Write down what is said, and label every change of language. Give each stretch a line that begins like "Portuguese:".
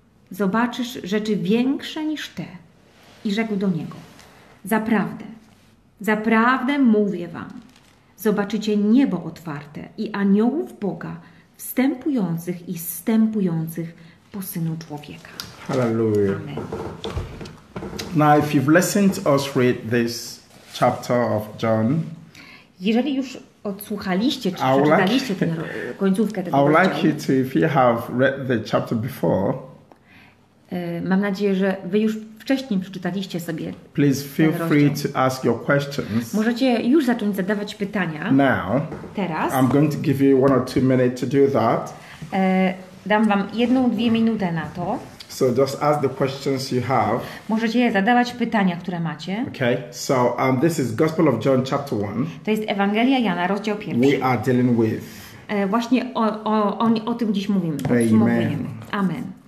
Polish: Zobaczysz rzeczy większe niż te. I rzekł do niego, zaprawdę, zaprawdę mówię wam, zobaczycie niebo otwarte i aniołów Boga wstępujących i zstępujących po Synu Człowieka.
English: Hallelujah. Amen. Now, if you've listened to us read this chapter of John,
Polish: jeżeli już odsłuchaliście czy przeczytaliście tę końcówkę tego rozdziału,
English: like you to, if you have read the chapter before,
Polish: mam nadzieję, że wy już wcześniej przeczytaliście sobie.
English: Please feel free to ask your questions.
Polish: Możecie już zacząć zadawać pytania.
English: Now,
Polish: teraz.
English: I'm going to give you one or two minutes to do that.
Polish: Dam wam jedną, dwie minuty na to.
English: So just ask the questions you have.
Polish: Możecie zadawać pytania, które macie.
English: Okay. So this is Gospel of John chapter 1.
Polish: To jest Ewangelia Jana, rozdział pierwszy.
English: We are dealing with.
Polish: Właśnie o tym dziś mówimy. Amen. Amen.